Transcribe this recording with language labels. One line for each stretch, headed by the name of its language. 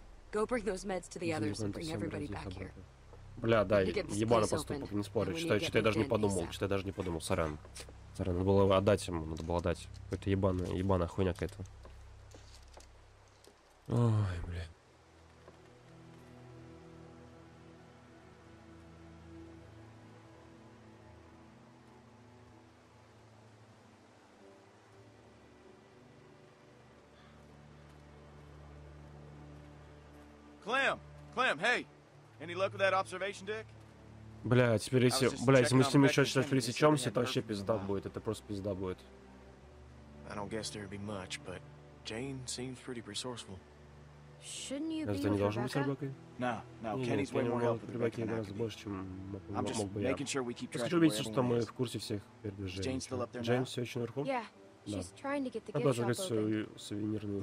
English: Go bring those meds to the others and bring everybody back here.
Russian: Бля, да, ебана поступок, не спорю. Что-то я даже не подумал, сорян. Сорян, надо было отдать ему, Какая-то ебаная хуйня какая-то. Ой, бля. Клэм,
English: hey! Any luck with that observation deck?
Russian: Бля, теперь если... Бля, если мы с ним еще сейчас пересечемся, это вообще пизда будет. Это просто пизда будет.
English: I don't guess there'd be much, but Jane seems pretty resourceful. Shouldn't you be with Rebecca? No, Kenny's way more help with Rebecca than I could be. I'm just making sure we keep track of where everyone is. Is Jane still up there now? Yeah, she's trying to get the gift shop open.